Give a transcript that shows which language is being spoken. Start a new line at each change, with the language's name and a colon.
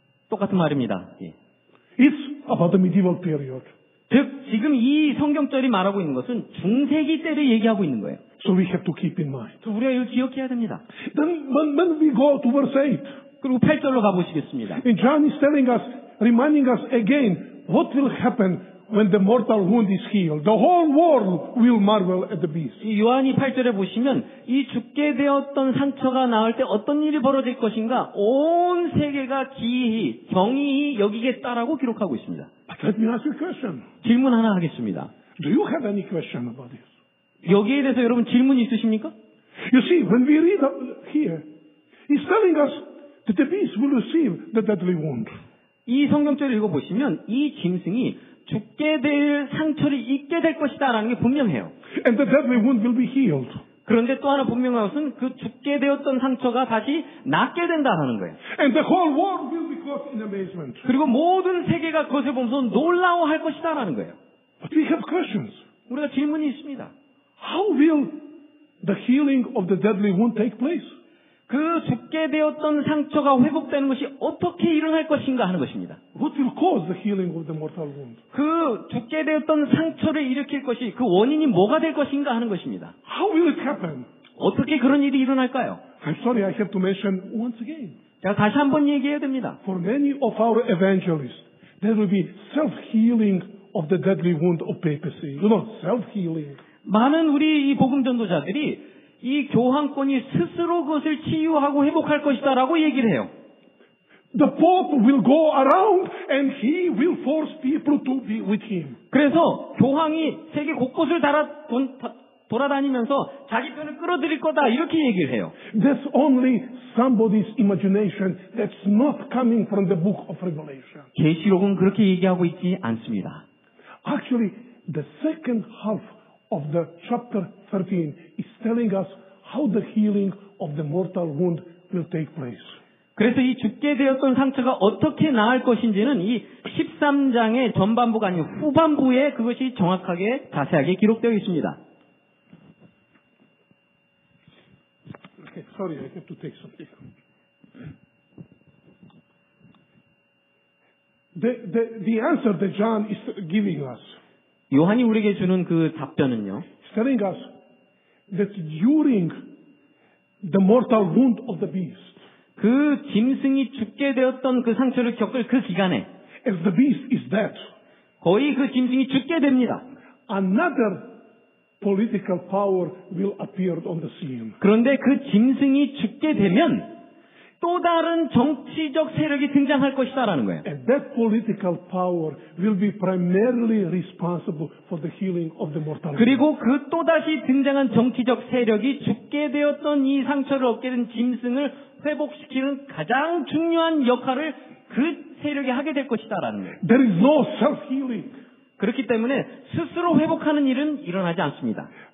Korean: 똑같은 말입니다. 예.
English: It's about the medieval period.
Korean: 즉, 지금 이 성경절이 말하고 있는 것은 중세기 때를 얘기하고 있는 거예요.
English: So we have to keep in mind.
Korean: 우리가 이걸 기억해야 됩니다.
English: Then when we go to verse 8,
Korean: 그리고 8절로 가보시겠습니다.
English: And John is telling us, reminding us again, What will happen when the mortal wound is healed? The whole world will marvel at the beast.
Korean: 요한이 8절에 보시면 이 죽게 되었던 상처가 나을 때 어떤 일이 벌어질 것인가 온 세계가 기이히 경이히 여기겠다라고 기록하고 있습니다.
English: But let me ask you a question.
Korean: 질문 하나 하겠습니다.
English: Do you have any question about this?
Korean: 여기에 대해서 여러분 질문 있으십니까?
English: You see, when we read here, he's telling us that the beast will receive the deadly wound.
Korean: 이 성경절을 읽어보시면 이 짐승이 죽게 될 상처를 입게 될 것이다 라는 게 분명해요.
English: And the deadly wound will be healed.
Korean: 그런데 또 하나 분명한 것은 그 죽게 되었던 상처가 다시 낫게 된다는 거예요.
English: And the whole world will be caught in amazement.
Korean: 그리고 모든 세계가 그것을 보면서 놀라워할 것이다 라는 거예요.
English: But we have questions.
Korean: 우리가 질문이 있습니다.
English: How will the healing of the deadly wound take place?
Korean: 그 죽게 되었던 상처가 회복되는 것이 어떻게 일어날 것인가 하는 것입니다.
English: What will cause the healing of the mortal wound?
Korean: 그 죽게 되었던 상처를 일으킬 것이 그 원인이 뭐가 될 것인가 하는 것입니다.
English: How will it happen?
Korean: 어떻게 그런 일이 일어날까요?
English: I'm sorry, I have to mention once again.
Korean: 제가 다시 한번 얘기해야 됩니다.
English: For many of our evangelists, there will be self-healing of the deadly wound of papacy. You know, self-healing.
Korean: 많은 우리 이 복음 전도자들이 이 교황권이 스스로 그것을 치유하고 회복할 것이다라고 얘기를 해요.
English: The Pope will go around and he will force people to be with him.
Korean: 그래서 교황이 세계 곳곳을 돌아다니면서 자기 편을 끌어들일 거다 이렇게 얘기를 해요.
English: That's only somebody's imagination. That's not coming from the Book of Revelation.
Korean: 계시록은 그렇게 얘기하고 있지 않습니다.
English: Actually, the second half. Of the chapter 13 is telling us how the healing of the mortal wound will take place.
Korean: 그래서 이 죽게 되었던 상처가 어떻게 나을 것인지는 이 13장의 전반부가 아닌 후반부에 그것이 정확하게 자세하게 기록되어 있습니다.
English: Okay, sorry, I have to take something. The answer that John is giving us.
Korean: 요한이 우리에게 주는 그 답변은요.
English: Telling us that during the mortal wound of the beast,
Korean: 그 짐승이 죽게 되었던 그 상처를 겪을 그 기간에,
English: as the beast is dead,
Korean: 거의 그 짐승이 죽게 됩니다.
English: Another political power will appear on the scene.
Korean: 그런데 그 짐승이 죽게 되면, 또 다른 정치적 세력이 등장할 것이다라는 거예요.
English: And that political power will be primarily responsible for the healing of the mortality.
Korean: 그리고 그 또 다시 등장한 정치적 세력이 죽게 되었던 이 상처를 얻게 된 짐승을 회복시키는 가장 중요한 역할을 그 세력이 하게 될 것이다라는 거예요.
English: There is no self-healing.
Korean: 그렇기 때문에 스스로 회복하는 일은 일어나지 않습니다.